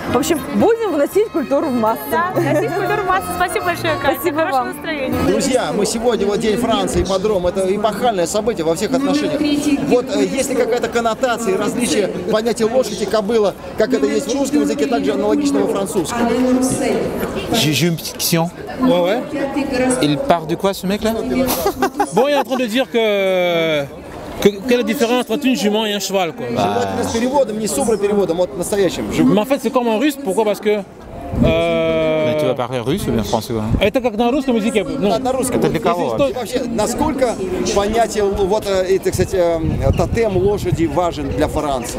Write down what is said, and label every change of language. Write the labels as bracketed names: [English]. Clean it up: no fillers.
[Russian] В общем, будем вносить культуру в массы. Да, вносить культуру в массы. Спасибо большое, Катя. Спасибо хорошего вам. Настроения. Друзья, мы сегодня, вот день Франции, ипподром, это эпохальное событие во всех отношениях. Вот есть ли какая-то коннотация, различие понятия лошади, кобыла, как это есть в русском языке, так же аналогично во французском? [French] J'ai une petite question. Ouais, ouais. Il part de quoi, ce mec-là? Bon, il est en train de dire que... Quelle est la différence entre une jument et un cheval, quoi? Bah... [Russian] переводом, не суперпереводом, вот настоящим. [French] Mais en fait, c'est comme en russe, pourquoi? Parce que... Mais tu vas parler russe ou bien français, quoi? [Russian] Это как на русском языке. Ну, на русском. Это для кого? Вообще, насколько понятие, вот, это, кстати, тотем лошади важен для Франции?